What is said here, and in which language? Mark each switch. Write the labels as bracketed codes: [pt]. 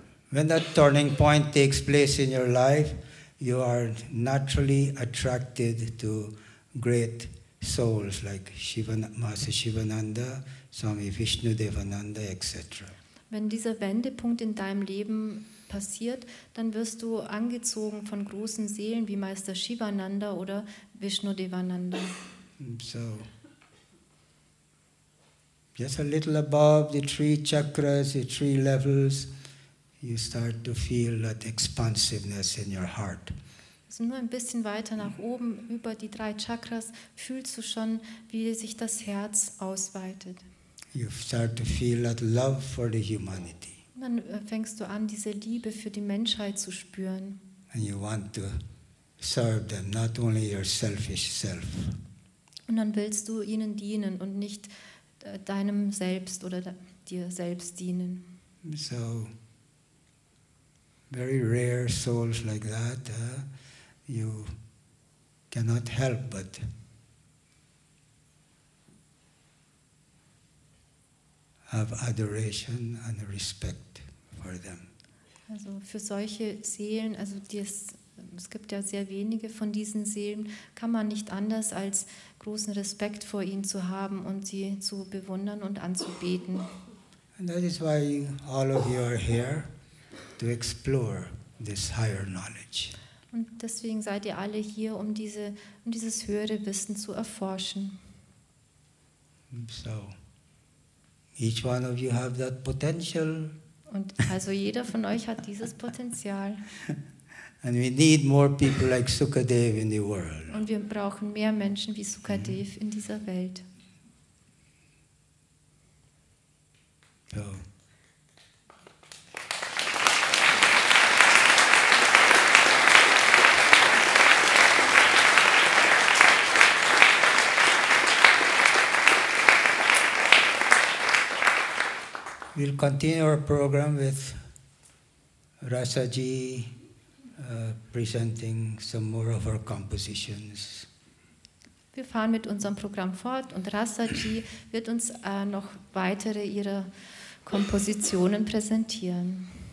[en] When that turning point takes place in your life, you are naturally attracted to great souls like Master Shivananda, Swami Vishnu Devananda, etc. [de] Wenn dieser Wendepunkt in deinem Leben passiert, dann wirst du angezogen von großen Seelen wie Meister Shivananda oder Vishnu Devananda. [en] So, just a little above the three chakras, the three levels, you start to feel that expansiveness in your heart. [de] So nur ein bisschen weiter nach oben, über die drei Chakras, fühlst du schon, wie sich das Herz ausweitet. [en] You start to feel that love for the humanity. [de] Und dann fängst du an, diese Liebe für die Menschheit zu spüren. [en] And you want to serve them, not only your selfish self. [de] Und dann willst du ihnen dienen und nicht deinem Selbst oder dir selbst dienen. [en] So, very rare souls like that, you cannot help but have adoration and respect for them. [de] Also für solche Seelen, also es gibt ja sehr wenige von diesen Seelen, kann man nicht anders als großen Respekt vor ihnen zu haben und sie zu bewundern und anzubeten. [en] And that is why all of you are here, to explore this higher knowledge. [de] Und deswegen seid ihr alle hier, um dieses höhere Wissen zu erforschen. [en] So, each one of you have that potential. [de] Und also jeder von euch hat dieses Potenzial. [en] And we need more people like Sukadev in the world. [de] Und wir brauchen mehr Menschen wie Sukadev in dieser Welt. [en] So. We'll continue our program with Rasa Ji presenting some more of her compositions. [de] Wir fahren mit unserem Programm fort und Rasa Ji wird uns noch weitere ihrer Kompositionen präsentieren.